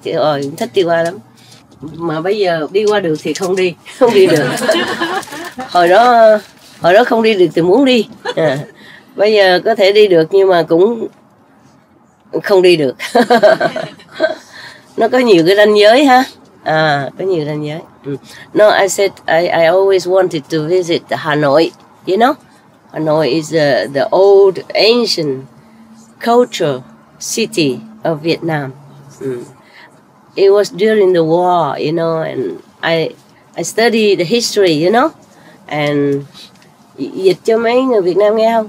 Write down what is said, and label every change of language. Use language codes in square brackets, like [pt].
[vi] Chị ơi, thích đi qua lắm. Mà bây giờ đi qua được thì không đi, không đi được. Hồi đó không đi được thì muốn đi. À, bây giờ có thể đi được nhưng mà cũng không đi được. Nó có nhiều cái ranh giới ha. À, có nhiều ranh giới. [en] No, I said I always wanted to visit Hanoi, you know? Hanoi is the old, ancient, cultural city of Vietnam. It was during the war, you know, and I studied the history, you know? [vi] And dịch cho mấy người Việt Nam nghe không?